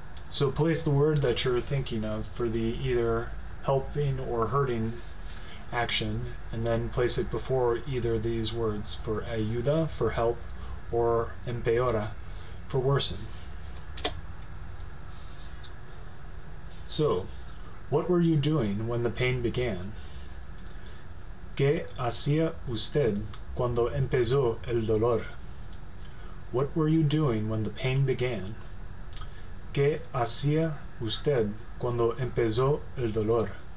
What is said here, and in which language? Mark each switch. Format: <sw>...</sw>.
<en>So, place the word that you're thinking of for the either helping or hurting action, and then place it before either of these words for ayuda, for help, or empeora. For worsen. So, what were you doing when the pain began?</en> <es>¿Qué hacía usted cuando empezó el dolor?</es> <en>What were you doing when the pain began?</en> <es>¿Qué hacía usted cuando empezó el dolor?</es>